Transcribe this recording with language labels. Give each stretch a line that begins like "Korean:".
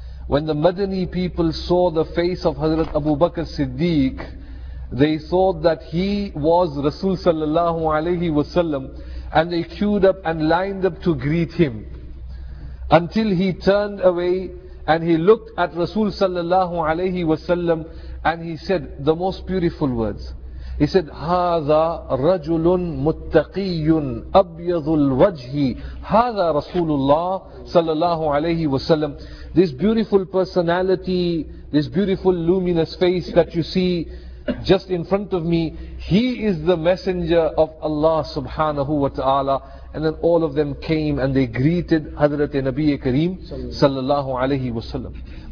English: When the Madani people saw the face of Hazrat Abu Bakr Siddiq, they thought that he was Rasul sallallahu alayhi wasallam, and they queued up and lined up to greet him. Until he turned away and he looked at Rasul sallallahu alayhi wasallam and he said the most beautiful words. He said,
Arabic: هذا رجل متقي أبيض الوجه هذا رسول الله صلى الله عليه وسلم.
English: This beautiful personality, this beautiful luminous face that you see just in front of me, he is the messenger of Allah subhanahu wa ta'ala. And then all of them came and they greeted Hazrat Nabi Kareem صلى الله عليه وسلم.